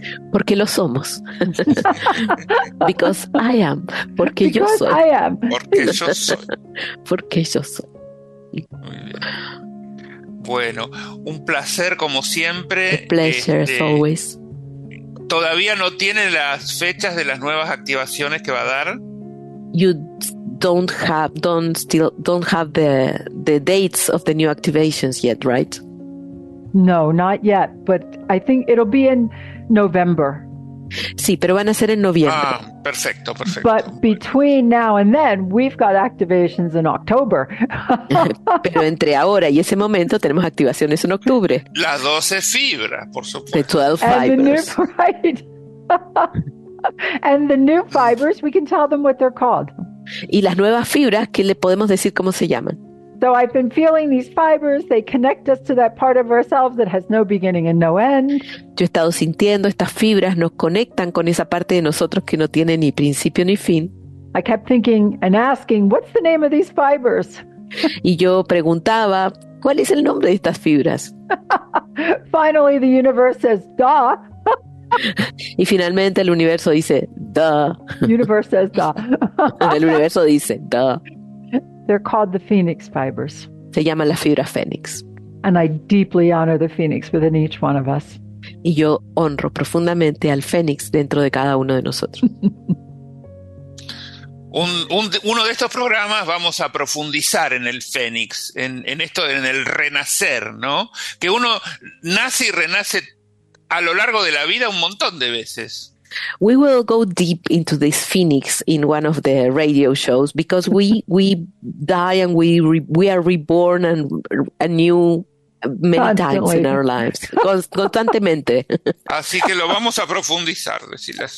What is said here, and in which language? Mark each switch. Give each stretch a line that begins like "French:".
Spanish: Porque lo somos.
English: Because I am.
Spanish: Porque
English: Because
Spanish: yo soy.
English: Because I am.
Spanish: Porque yo soy. Porque yo soy. Muy bien. Bueno, un placer como siempre.
English: A pleasure as always.
Spanish: ¿Todavía no tiene las fechas de las nuevas activaciones que va a dar?
English: You don't have the dates of the new activations yet, right? No, not yet, but I think it'll be in November.
Spanish: Sí, pero van a ser en noviembre. Ah, perfecto, perfecto.
English: But between now and then, we've got activations in October.
Spanish: Pero entre ahora y ese momento tenemos activaciones en octubre. Las 12 fibras, por supuesto.
English: The 12 fibers. And the new, right. And the new fibers, we can tell them what they're called.
Spanish: Y las nuevas fibras, ¿qué le podemos decir cómo se llaman?
English: So I've been feeling these fibers, they connect us to that part of ourselves that has no beginning and no end.
Spanish: Yo he estado sintiendo estas fibras, nos conectan con esa parte de nosotros que no tiene ni principio ni fin.
English: I kept thinking and asking, what's the name of these fibers?
Spanish: Y yo preguntaba, ¿cuál es el nombre de estas fibras?
English: Finally the universe says, duh.
Spanish: Y finalmente el universo dice, duh.
English: Universe says, duh.
Spanish: El universo dice, duh.
English: They're called the phoenix fibers.
Spanish: Se llaman las fibras fénix.
English: And I deeply honor the phoenix within each one of us.
Spanish: Y yo honro profundamente al fénix dentro de cada uno de nosotros. Uno de estos programas vamos a profundizar en el fénix, en esto, en el renacer, ¿no? Que uno nace y renace a lo largo de la vida un montón de veces.
English: We will go deep into this phoenix in one of the radio shows because we die and we are reborn and anew many constantly. Times in our lives.
Spanish: Constantemente. Así que lo vamos a profundizar, decirles.